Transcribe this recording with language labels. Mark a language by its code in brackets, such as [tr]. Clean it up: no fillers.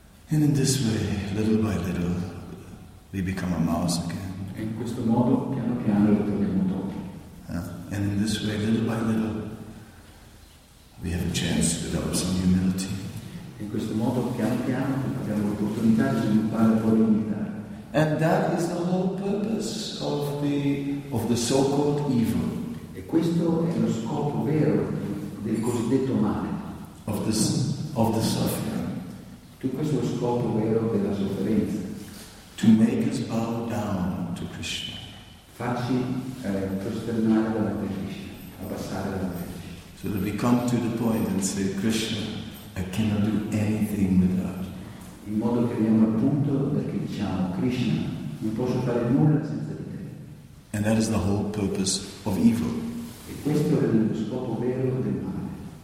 [en] And in this way, little by little, we become a mouse again. [it] E in questo modo, piano piano, ritorniamo topo. [en] And in this way, little by little, we have a chance to develop some humility. [it] E in questo modo, piano piano, abbiamo l'opportunità di sviluppare un po' di umiltà. [en] And that is the whole purpose of the so-called evil. [it] E questo è lo scopo vero del cosiddetto male. [en] Of the suffering. [it] Tutto questo è lo scopo vero della sofferenza. [en] To make us bow down to Krishna. [it] Facci prosternare davanti a Krishna, abbassare davanti a Krishna. [en] So that we come to the point and say, Krishna, I cannot do anything without. [it] In modo che arriviamo al punto perché diciamo, Krishna, non posso fare nulla senza di te. [en] And that is the whole purpose of evil. [it] E questo è lo scopo vero del male.